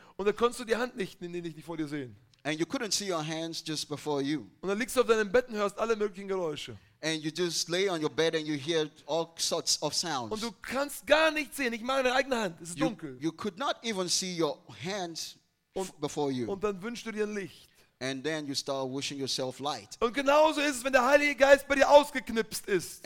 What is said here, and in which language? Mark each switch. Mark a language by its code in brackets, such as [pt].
[de] Und da konntest du die Hand nicht vor dir sehen. [en] And you couldn't see your hands just before you. [de] Und dann liegst du auf deinem Bett und hörst alle möglichen Geräusche. [en] And you just lay on your bed and you hear all sorts of sounds. [de] Und du kannst gar nichts sehen. Ich meine eigene Hand. Es ist dunkel. [en] You could not even see your hands before you. [de] Und dann wünschst du dir Licht. [en] And then you start wishing yourself light. [de] Und genauso ist es, wenn der Heilige Geist bei dir ausgeknipst ist.